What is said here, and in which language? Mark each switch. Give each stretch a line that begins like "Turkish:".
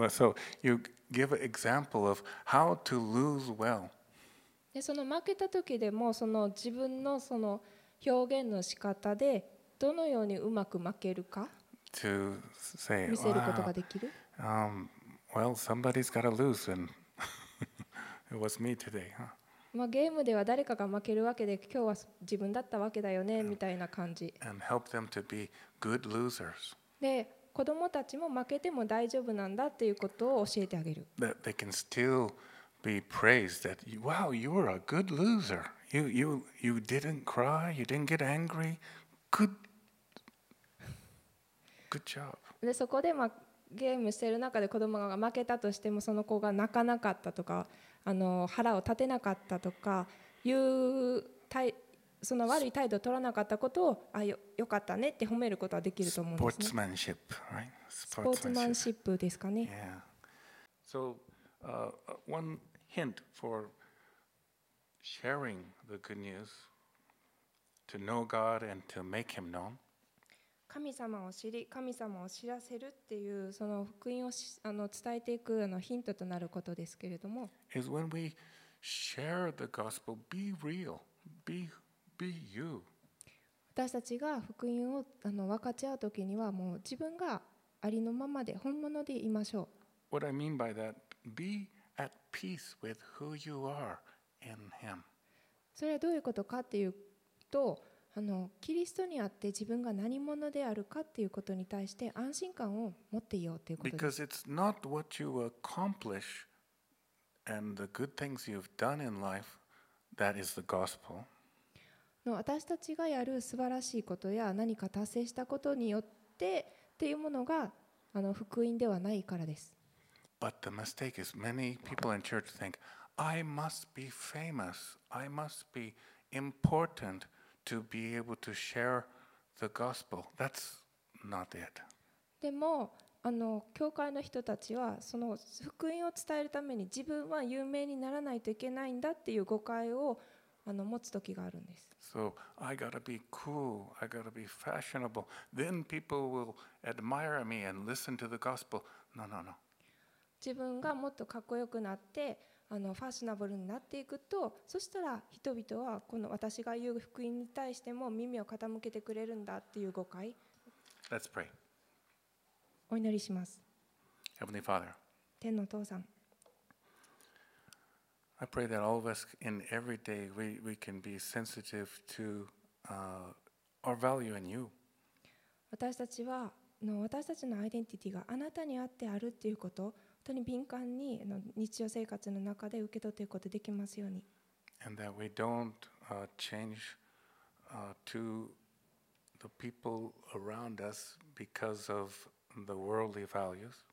English: So you give an example of how to lose well.
Japanese: でその負けたときでもその自分のその表現の仕方でどのようにうまく負けるか見せることができる。
English: Well, somebody's got to lose, and it was me today.
Japanese: まあゲームでは誰かが負けるわけで、今日は自分だったわけだよねみたいな感じ。
English: And help them to be good losers.
Japanese: で、子どもたちも負けても大丈夫なんだということを教えてあげる。
English: That they can still be praised. That wow, you were a good loser. You didn't cry, you didn't get angry. Good job.
Japanese: でそこで、まあ、ゲームしてる中で子供が負けたとしても、その子が泣かなかったとか腹を立てなかったとかいう態、その悪い態度を取らなかったことを、よかったねって褒めることはできると思うんですね。
English: Sportsmanship, right?
Japanese: スポーツマンシップですかね。
English: Yeah. So, one hint for sharing the good news to know God and to make Him known.
Japanese: 神様を知り、神様を知らせるっていうその福音を伝えていくヒントとなることですけれども、
English: is when we share the gospel, be real, be you.
Japanese: 私たちが福音を分かち合うときには、もう自分がありのままで本物でいましょう。
English: What I mean by that, be at peace with who you are. In him.
Japanese: それはどういうことかっていうと、キリストにあって自分が何者であるかっていうことに対して安心感を持っていようということです。
English: Because it's not what you accomplish and the good things you've done in life that is the gospel.
Japanese: 私たちがやる素晴らしいことや何か達成したことによってっていうものが福音ではないからです。
English: But the mistake is many people in church think. I must be famous. I must be important to be able to share the gospel. That's not it.
Japanese: でも、教会の人たちはその福音を伝えるために自分は有名にならないといけないんだっていう誤解を持つ時があるんです。
English: So I gotta be cool. I gotta be fashionable. Then people will admire me and listen to the gospel. No, no, no.
Japanese: 自分がもっとかっこよくなって、ファッショナブルになっていくと、そしたら人々はこの私が言う福音に対しても耳を傾けてくれるんだっていう誤解。
English: Let's pray.
Japanese: お祈りします。
English: Heavenly Father.
Japanese: 天の父さん。
English: I pray that all of us in every day we can be sensitive to our value in you.
Japanese: 私たちは私たちのアイデンティティがあなたにあってあるっていうこと、本当に敏感に日常生活の中で受け取っていくことができますように。
English: And that we don't change to the people around us because of the worldly values.